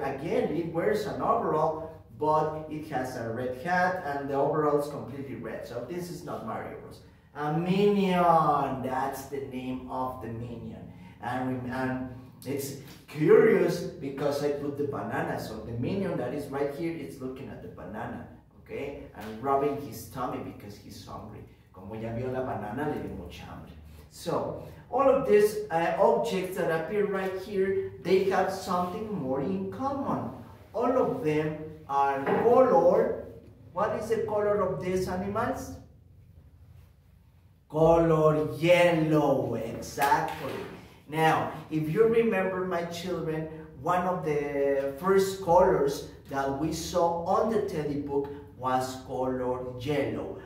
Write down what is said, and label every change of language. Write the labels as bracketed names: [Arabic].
[English] Again, it wears an overall, but it has a red hat and the overall is completely red. So this is not Mario Bros. A Minion, that's the name of the Minion. And it's curious because I put the banana. So the Minion that is right here is looking at the banana, okay? And rubbing his tummy because he's hungry. [Spanish] Como ya vio la banana, le dio mucha hambre. [English] So, all of these objects that appear right here, they have something more in common. All of them are color. What is the color of these animals? Color yellow, exactly. Now, if you remember, my children, one of the first colors that we saw on the teddy book was color yellow.